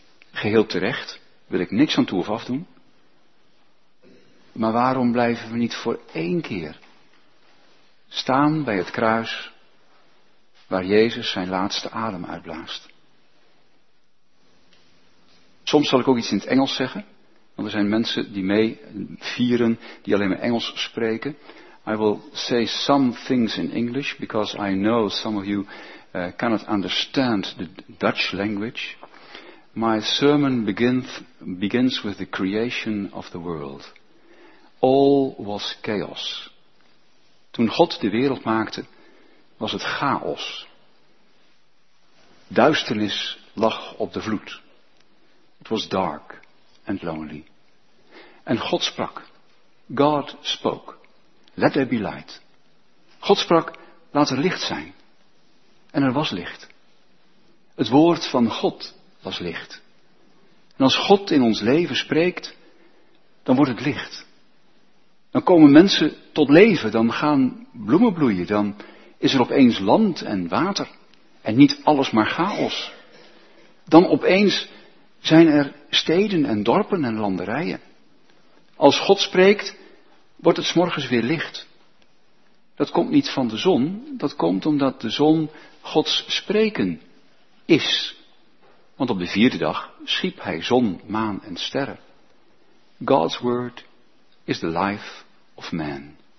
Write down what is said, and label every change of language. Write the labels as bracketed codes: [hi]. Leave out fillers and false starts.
[nl] Geheel terecht, wil ik niks aan toe of afdoen. Maar waarom blijven we niet voor één keer staan bij het kruis waar Jezus zijn laatste adem uitblaast? Soms zal ik ook iets in het Engels zeggen, want er zijn mensen die mee vieren die alleen maar Engels spreken. [en] I will say some things in English because I know some of you cannot understand the Dutch language. My sermon begins with the creation of the world. All was chaos. [nl] Toen God de wereld maakte, was het chaos. Duisternis lag op de vloed. [en] It was dark and lonely. [nl] En God sprak. [en] God spoke. Let there be light. [nl] God sprak, laat er licht zijn. En er was licht. Het woord van God was licht. En als God in ons leven spreekt, dan wordt het licht. Dan komen mensen tot leven, dan gaan bloemen bloeien, dan is er opeens land en water. En niet alles maar chaos. Dan opeens zijn er steden en dorpen en landerijen. Als God spreekt, wordt het 's morgens weer licht. Dat komt niet van de zon, dat komt omdat de zon Gods spreken is. Want op de vierde dag schiep hij zon, maan en sterren. [en] God's word is the life of man.